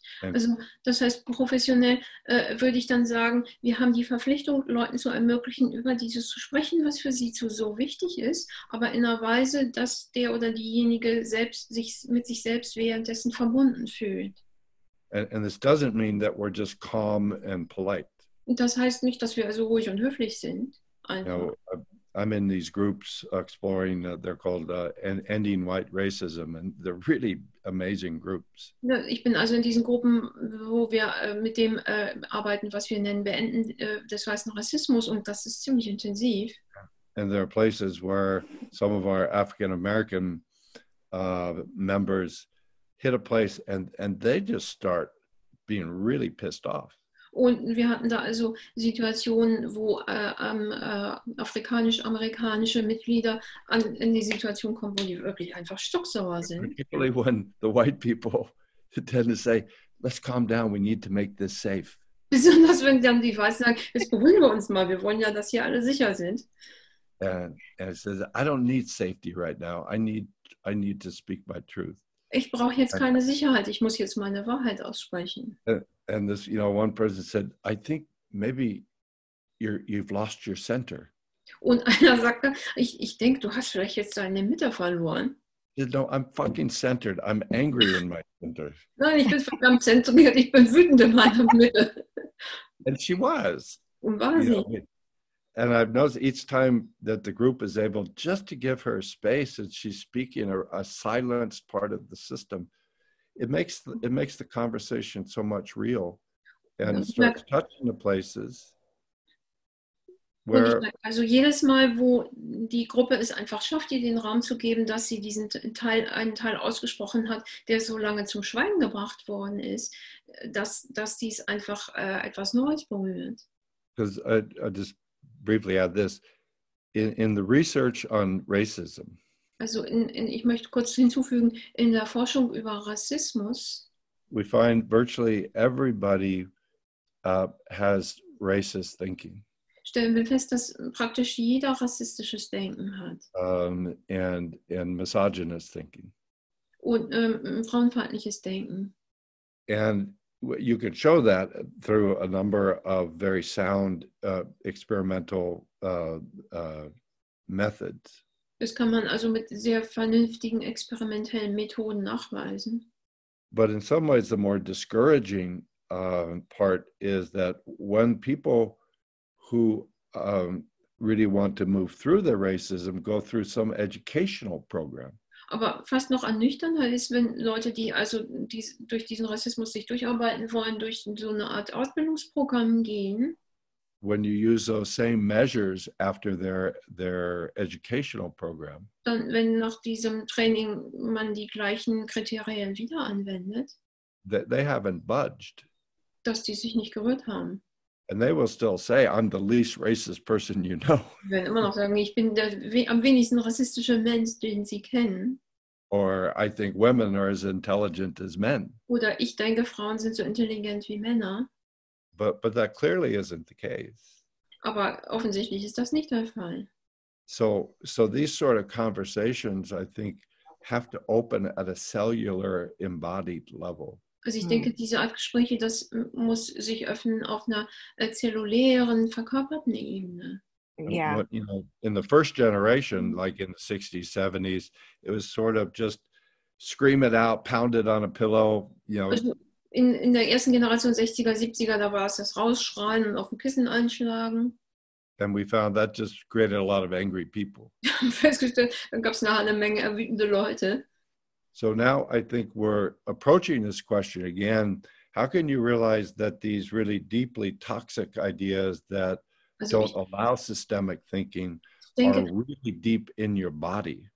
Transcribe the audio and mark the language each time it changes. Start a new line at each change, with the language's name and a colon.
German: Also, das heißt, professionell würde ich dann sagen, wir haben die Verpflichtung, Leuten zu ermöglichen, über dieses zu sprechen, was für sie so wichtig ist, aber in einer Weise, dass der oder diejenige selbst sich mit sich selbst währenddessen verbunden fühlt.
English: And this doesn't mean that we're just calm and polite.
German: Das heißt nicht, dass wir also ruhig und höflich sind. Einfach.
English: You know, I'm in these groups exploring, they're called Ending White Racism, and they're really amazing groups.
German: Ja, ich bin also in diesen Gruppen, wo wir mit dem arbeiten, was wir nennen, beenden des weißen Rassismus, und das ist ziemlich intensiv.
English: And there are places where some of our African-American members hit a place and they just start being really pissed off.
German: Und wir hatten da also Situationen, wo afrikanisch-amerikanische Mitglieder in die Situation kommen, wo die wirklich einfach stocksauer sind.
English: Particularly when the white people tend to say, let's calm down, we need to make this safe.
German: Besonders wenn dann die Weißen sagen, jetzt beruhigen wir uns mal, wir wollen ja, dass hier alle sicher sind.
English: And it says, I don't need safety right now, I need to speak my truth.
German: Ich brauche jetzt keine Sicherheit, ich muss jetzt meine Wahrheit aussprechen.
English: And this, you know, one person said, I think maybe you've lost your center.
German: Und einer sagte, ich denke, du hast vielleicht jetzt deine Mitte verloren.
English: No, I'm fucking centered. I'm angry in my center.
German: Nein, ich bin verdammt zentriert. Ich bin wütend in meiner Mitte.
English: And she was.
German: Und war sie.
English: You know, and I've noticed each time that the group is able just to give her space and she's speaking a silenced part of the system, it makes the conversation so much real and starts touching the places where,
German: also jedes Mal, wo die Gruppe es einfach schafft, ihr den Raum zu geben, dass sie diesen Teil, einen Teil ausgesprochen hat, der so lange zum Schweigen gebracht worden ist, dass dies einfach etwas Neues berührt.
English: I just briefly add this in the research on racism.
German: Also ich möchte kurz hinzufügen, in der Forschung über Rassismus.
English: We find virtually everybody has racist thinking.
German: Stellen wir fest, dass praktisch jeder rassistisches Denken hat.
English: And misogynist thinking.
German: Und frauenfeindliches Denken.
English: And you can show that through a number of very sound experimental methods.
German: Das kann man also mit sehr vernünftigen experimentellen Methoden nachweisen.
English: But in some ways the more discouraging part is that when people who really want to move through their racism go through some educational program.
German: Aber fast noch ernüchternder ist, wenn Leute, die also durch diesen Rassismus sich durcharbeiten wollen, durch so eine Art Ausbildungsprogramm gehen.
English: When you use those same measures after their educational program.
German: Dann, wenn nach diesem Training man die gleichen Kriterien wieder anwendet.
English: That they haven't budged.
German: Dass die sich nicht gerührt haben.
English: And they will still say, I'm the least racist person you know.
German: Sie werden immer noch sagen, ich bin der am wenigsten rassistische Mensch, den sie kennen.
English: Or I think women are as intelligent as men.
German: Oder ich denke, Frauen sind so intelligent wie Männer.
English: But that clearly isn't the case.
German: Aber offensichtlich ist das nicht der Fall.
English: So these sort of conversations, I think, have to open at a cellular embodied level.
German: Also ich denke, diese Art Gespräche, das muss sich öffnen auf einer zellulären, verkörperten Ebene.
English: Yeah. What, you know, in the first generation, like in the 60s, 70s, it was sort of just scream it out, pound it on a pillow, you know.
German: In der ersten Generation, 60er, 70er, da war es das Rausschreien und auf dem Kissen einschlagen.
English: And we found that just created a lot of angry people.
German: Festgestellt, dann gab es nachher eine Menge wütende Leute.
English: So now I think we're approaching this question again. How can you realize that these really deeply toxic ideas that don't allow systemic thinking are really deep in your body?